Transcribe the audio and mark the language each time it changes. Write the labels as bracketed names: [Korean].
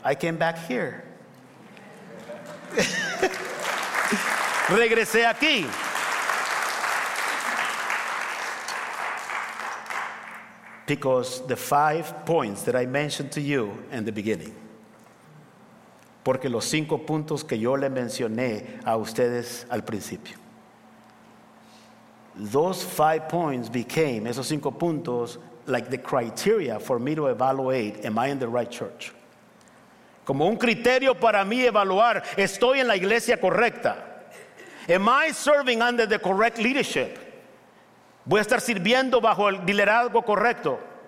[English] I came back here. [Spanish] Regresé aquí. [English] Because the 5 points that I mentioned to you in the beginning. [Spanish] Porque los 5 puntos que yo le mencioné a ustedes al principio. [English] Those 5 points became, [Spanish] esos 5 puntos, [English] like the criteria for me to evaluate, am I in the right church? [Spanish] Como un criterio para mí evaluar, estoy en la iglesia correcta. [English] Am I serving under the correct leadership? [Spanish] Voy a estar sirviendo bajo el liderazgo correcto.